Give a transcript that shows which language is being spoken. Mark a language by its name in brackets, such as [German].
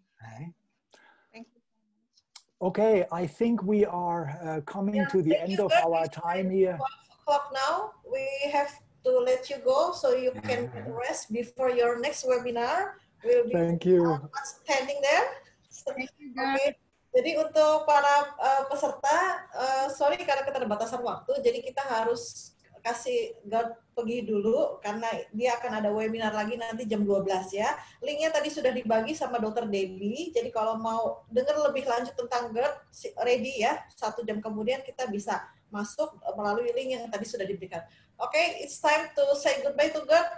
[English] Right? Thank you. Okay, I think we are coming to the end of our time here. 1:00 now. We have to let you go so you can rest before your next webinar. We'll be thank you. Standing there. So, thank you, guys. Okay. [Indonesian] Jadi untuk para peserta, sorry karena keterbatasan waktu, jadi kita harus kasih guard pergi dulu karena dia akan ada webinar lagi nanti jam 12 ya. Linknya tadi sudah dibagi sama Dr. Debbie, jadi kalau mau dengar lebih lanjut tentang GERD, ready ya, 1 jam kemudian kita bisa masuk melalui link yang tadi sudah diberikan. [English] Oke, okay, it's time to say goodbye to GERD.